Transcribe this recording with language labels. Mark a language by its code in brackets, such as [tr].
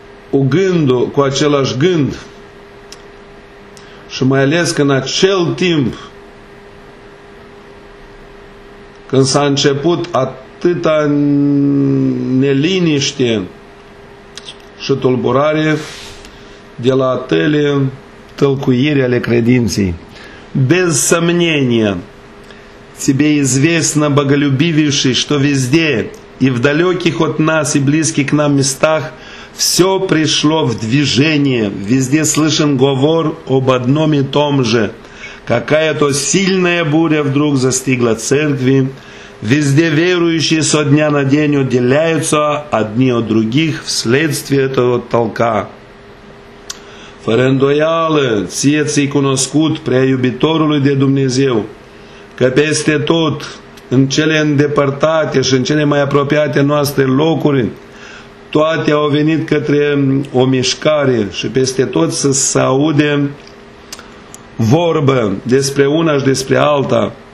[ro] cu gândul, cu același gând și mai ales că în acel timp când s-a început atâta neliniște și tulburare de la atâle tălcuiri ale credinței. [ru] Без сомнения тебе известно, боголюбивейший, что везде и в далеких от нас и близких к нам местах все пришло в движение, везде слышен говор об одном и том же. Какая-то сильная буря вдруг застигла церкви, везде верующие со дня на день отделяются одни от других вследствие этого толка. [ro] Фарендояле, ție ți-i cunoscut, preaiubitorului de Dumnezeu, că peste tot, în cele îndepărtate și în cele mai apropiate noastre locuri, toate au venit către o mișcare și peste tot să se aude vorbă despre una și despre alta.